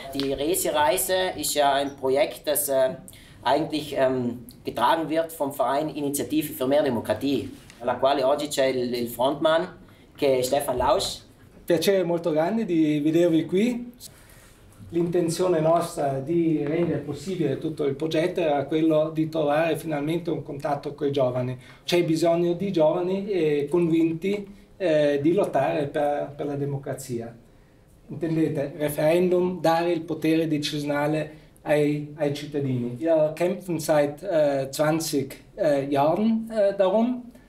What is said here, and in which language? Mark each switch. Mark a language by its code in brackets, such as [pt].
[de] Die Resi-Reise ist ja ein Projekt, das eigentlich getragen wird vom Verein Initiative für mehr Demokratie, [it] alla quale oggi c'è il frontman, che è Stefan Lausch. Piacere molto grande di vedervi qui. L'intenzione nostra di rendere possibile tutto il progetto era quello di trovare finalmente un contatto con i giovani. C'è bisogno di giovani convinti di lottare per la democrazia. Intendete, referendum, dare il potere decisionale ai cittadini. [de] Wir kämpfen seit 20 Jahren darum.